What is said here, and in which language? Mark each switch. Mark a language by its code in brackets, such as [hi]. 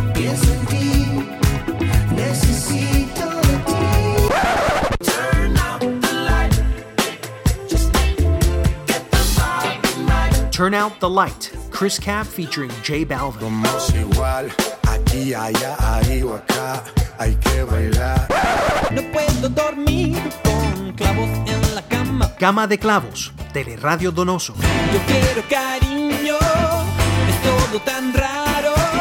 [es] Pienso en ti, necesito de ti. [en] Turn out the light. Just get the vibe tonight. Turn out the light. Chris Cab featuring J Balvin. [es] Vamos igual, aquí, allá, ahí o acá. Hay que bailar. No puedo dormir con clavos en la cama. Gama de clavos, Teleradio Donoso. Yo quiero cariño, es todo tan raro.